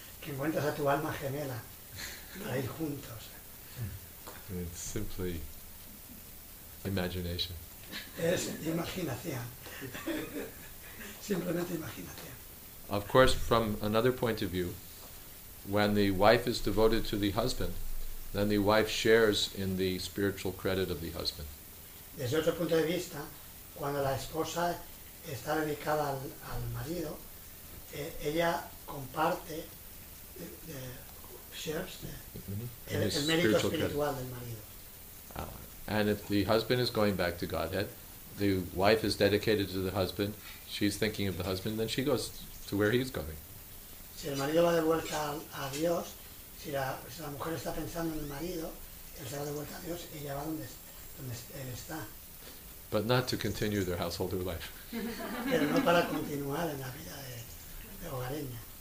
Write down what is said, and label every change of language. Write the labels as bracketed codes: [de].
[es] Que encuentras a tu alma gemela para ir juntos. [en] It's simply imagination. [es] Es imaginación. Simplemente imaginación. [en] Of course, from another point of view, when the wife is devoted to the husband, then the wife shares in the spiritual credit of the husband. [es] Desde otro punto de vista, cuando la esposa está dedicada al marido, ella comparte [en] shares, [es] mm-hmm. el mérito [en] spiritual credit. [es] Del marido. [en] And if the husband is going back to Godhead, the wife is dedicated to the husband, she's thinking of the husband, then she goes to where he's going. [es] Si el marido va de vuelta a Dios, si la mujer está pensando en el marido, él se va de vuelta a Dios, ella va donde él está. [en] But not to continue their householder life. [es] Pero no para continuar en la vida de hogareña.